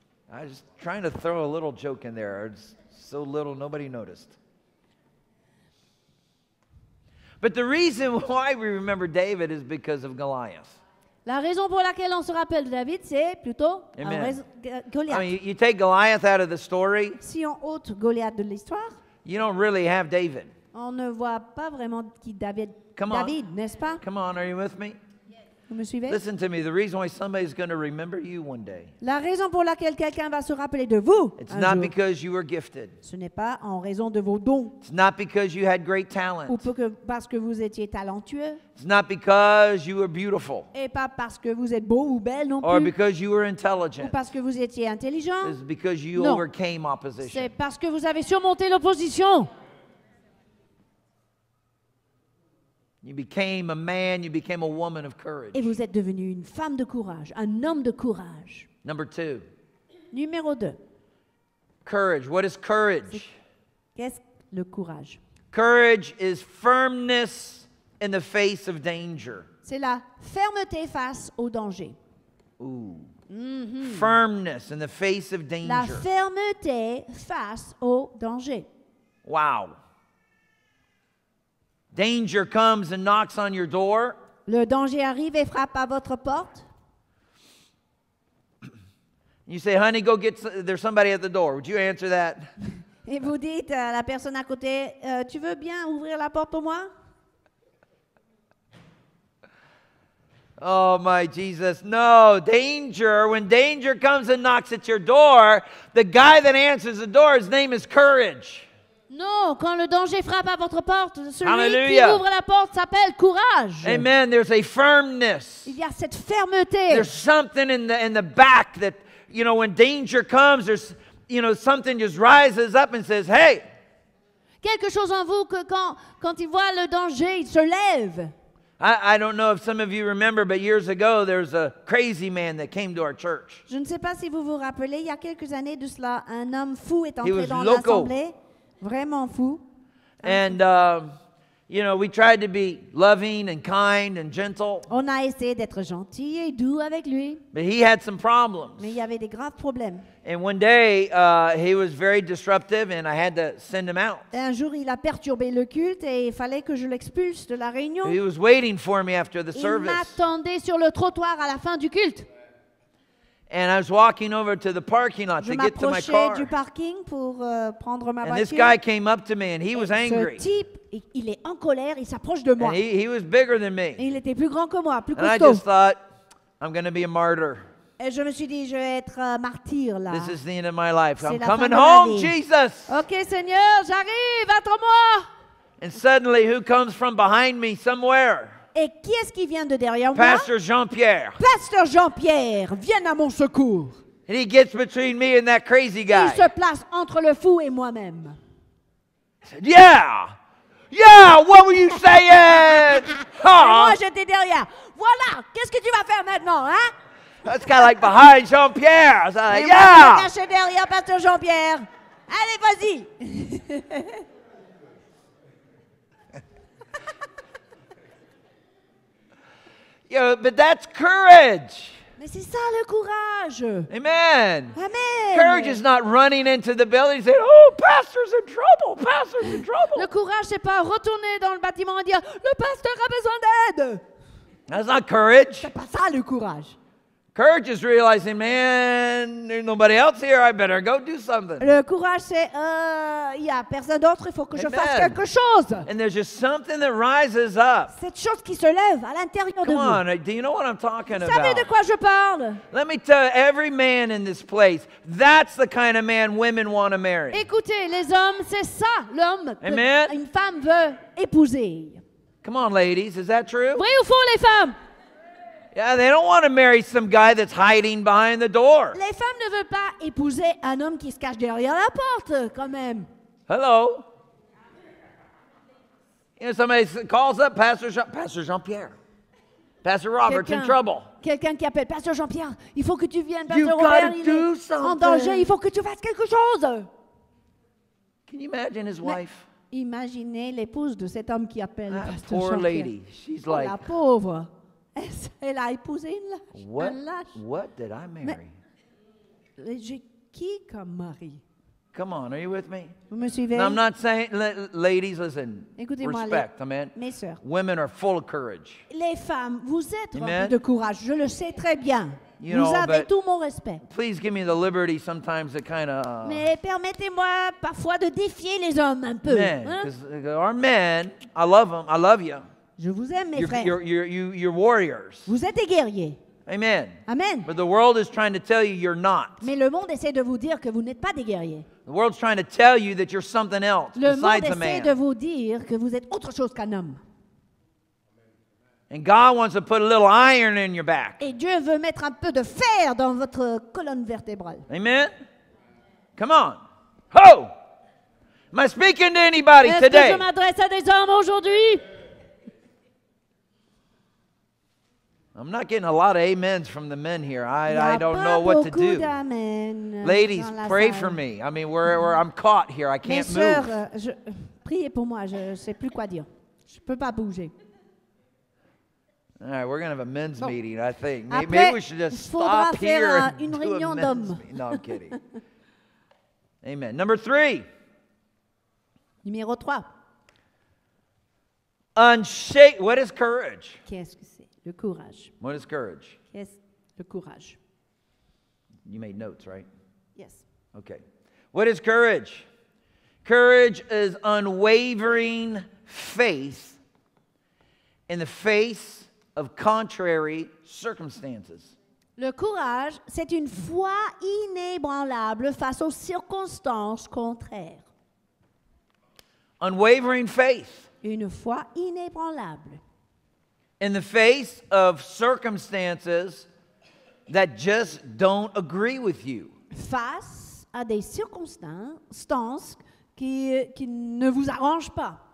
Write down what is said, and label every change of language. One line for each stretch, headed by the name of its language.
English: I was just trying to throw a little joke in there. It's so little, nobody noticed. But the reason why we remember David is because of Goliath.
French: La raison pour laquelle on se rappelle de David, c'est plutôt Goliath.
English: I mean, you take Goliath out of the story.
French: Si on ôte Goliath de l'histoire,
English: you don't really have David.
French: On ne voit pas vraiment qui David, n'est-ce pas?
English: Come on, are you with me? Yes.
French: Vous me suivez?
English: Listen to me. The reason why somebody's going to remember you one day.
French: La raison pour laquelle quelqu'un va se rappeler de vous.
English: It's not because you were gifted.
French: Ce n'est pas en raison de vos dons.
English: It's not because you had great talent.
French: Ou parce que vous étiez talentueux.
English: It's not because you were beautiful.
French: Et pas parce que vous êtes beau ou belle non plus.
English: Or because you were intelligent.
French: Ou parce que vous étiez intelligent.
English: It's because you overcame opposition.
French: C'est parce que vous avez surmonté l'opposition.
English: You became a man, you became a woman of courage.
French: Et vous êtes devenu une femme de courage, un homme de courage.
English: Number two.
French: Numéro deux.
English: Courage. What is courage?
French: Qu'est-ce que le courage?
English: Courage is firmness in the face of danger.
French: C'est la fermeté face au danger. Ooh. Mm-hmm.
English: Firmness in the face of danger.
French: La fermeté face au danger.
English: Wow. Danger comes and knocks on your door.
French: Le danger arrive et frappe à votre porte.
English: You say, honey, go get, there's somebody at the door. Would you answer that?
French: Et vous dites à la personne à côté, tu veux bien ouvrir la porte pour moi?
English: Oh my Jesus, no. Danger, when danger comes and knocks at your door, the guy that answers the door, his name is courage.
French: Non, quand le danger frappe à votre porte, celui Hallelujah. Qui ouvre la porte s'appelle courage.
English: Amen. There's a firmness.
French: Il y a cette fermeté.
English: There's something in the back that, you know, when danger comes, there's, you know, something just rises up and says, hey.
French: Quelque chose en vous que quand il voit le danger, il se lève.
English: I don't know if some of you remember, but years ago, there's a crazy man that came to our church.
French: Je ne sais pas si vous vous rappelez, il y a quelques années de cela, un homme fou est entré dans l'assemblée. Vraiment fou.
English: And you know, we tried to be loving and kind and gentle.
French: On a essayé d'être gentil et doux avec lui.
English: But he had some problems.
French: Mais il y avait des graves problèmes.
English: And one day, he was very disruptive, and I had to send him out.
French: Un jour, il a perturbé le culte et il fallait que je l'expulse de la réunion.
English: He was waiting for me after the
French: il
English: service.
French: Il m'attendait sur le trottoir à la fin du culte.
English: And I was walking over to the parking lot
French: je
English: to get to my car.
French: Du parking pour, prendre ma
English: and
French: voiture.
English: This guy came up to me and he was angry.
French: Ce type, il est en colère, il s'approche de moi.
English: And he was bigger than me.
French: Et il était plus grand que moi, plus costaud.
English: And I just thought, I'm going to be a martyr.
French: Et je me suis dit, je vais être martyr là.
English: This is the end of my life.
French: C'est
English: I'm coming home, Jesus.
French: OK, Seigneur, j'arrive, attends-moi.
English: And suddenly, who comes from behind me somewhere?
French: Et qui est-ce qui vient de derrière moi? Pasteur Jean-Pierre. Pasteur Jean-Pierre, viens à mon secours.
English: And he gets between me and that crazy guy.
French: Il se place entre le fou et moi-même.
English: I said, yeah! Yeah, what were you saying?
French: Huh? Moi, j'étais derrière. Voilà, qu'est-ce que tu vas faire maintenant, hein?
English: That's kind of like behind Jean-Pierre. I said, yeah!
French: Moi, je suis caché derrière Pasteur Jean-Pierre. Allez, vas-y!
English: Yeah, but that's courage.
French: Mais c'est ça le courage.
English: Amen. Amen. Courage is not running into the building and saying, "Oh, pastor's in trouble. Pastor's in trouble."
French: Le courage c'est pas retourner dans le bâtiment et dire, "Le pasteur a besoin d'aide."
English: That's not courage.
French: C'est pas ça le courage.
English: Courage is realizing, "Man, there's nobody else here. I better go do something."
French: Le courage c'est il y a personne d'autre, il faut que je fasse quelque chose.
English: And there's just something that rises up.
French: Cette chose qui se lève à l'intérieur de vous.
English: Come on, do you know what I'm talking about?
French: Vous savez de quoi je parle?
English: Let me tell every man in this place, that's the kind of man women want to marry.
French: Écoutez, les hommes, c'est ça l'homme que une femme veut épouser.
English: Come on, ladies, is that true?
French: Vrai ou faux, les femmes?
English: Yeah, they don't want to marry some guy that's hiding behind the door.
French: Les femmes ne veulent pas épouser un homme qui se cache derrière la porte, quand même.
English: Hello. You know, somebody calls up Pasteur Jean-Pierre. Pasteur Robert in trouble.
French: Quelqu'un qui appelle Pasteur Jean-Pierre, il faut que tu viennes, Pasteur Robert,
English: gotta
French: il
English: do
French: est
English: something.
French: En danger, il faut que tu fasses quelque chose.
English: Can you imagine his wife?
French: Imaginez l'épouse de cet homme qui appelle Pasteur Jean-Pierre.
English: Poor lady. She's like
French: la pauvre. Elle a épousé une lâche.
English: What,
French: un lâche.
English: What did I marry?
French: Mais j'ai qui comme mari?
English: Come on, are you with me?
French: Vous me suivez?
English: Now, I'm not saying, ladies, listen.
French: Écoutez-moi,
English: respect, amen.
French: Mes sœurs.
English: Women are full of courage.
French: Les femmes, vous êtes remplies de courage. Je le sais très bien.
English: You
French: vous
English: know,
French: avez tout mon respect.
English: Please give me the liberty sometimes to kind of.
French: Mais permettez-moi parfois de défier les hommes un peu.
English: Amen. Hein? Our men, I love them. I love you.
French: Je vous aime, mes frères.
English: You're warriors.
French: Vous êtes des guerriers.
English: Amen. Amen. But the world is trying to tell you you're not.
French: Mais le monde essaie de vous dire que vous n'êtes pas des guerriers.
English: The world's trying to tell you that you're something else
French: le
English: besides a man.
French: Le monde essaie de vous dire que vous êtes autre chose qu'un homme.
English: And God wants to put a little iron in your back.
French: Et Dieu veut mettre un peu de fer dans votre colonne vertébrale.
English: Amen. Come on. Ho! Am I speaking to anybody
French: Est-ce
English: today?
French: Est-ce que je m'adresse à des hommes aujourd'hui?
English: I'm not getting a lot of amens from the men here. I don't know what to do. Ladies, pray for me. I mean, where I'm caught here. I can't
French: Mes soeurs,
English: move.
French: Je, priez pour moi. Je sais plus quoi dire. Je peux pas bouger.
English: All right, we're going to have a men's meeting, I think. Maybe we should just stop here and do a men's meeting. No, I'm kidding. Amen. Number three.
French: Numéro trois.
English: What is courage?
French: Qu'est-ce que c'est? Le courage.
English: What is courage?
French: Yes, le courage.
English: You made notes, right? Yes. Okay. What is courage? Courage is unwavering faith in the face of contrary circumstances.
French: Le courage, c'est une foi inébranlable face aux circonstances contraires.
English: Unwavering faith.
French: Une foi inébranlable.
English: In the face of circumstances that just don't agree with you.
French: Face à des circonstances qui ne vous arrangent pas.